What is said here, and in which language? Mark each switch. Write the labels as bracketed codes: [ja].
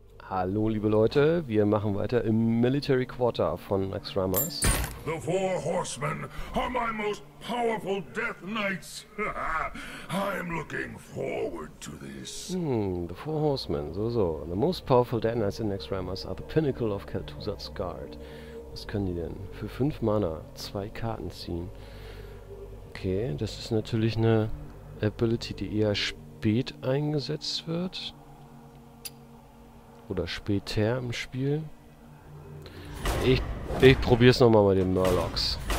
[de] Hallo liebe Leute, wir machen weiter im Military Quarter von Max Ramas. [en] The Four Horsemen are my most powerful Death Knights. I'm looking forward to this. The Four Horsemen, so. The most powerful Death Knights in Max Ramas are the pinnacle of Kaltuzad's Guard. [de] Was können die denn? Für 5 Mana 2 Karten ziehen. Okay, das ist natürlich eine Ability, die eher spät eingesetzt wird. Oder später im Spiel. Ich probiere es nochmal mit den Murlocs.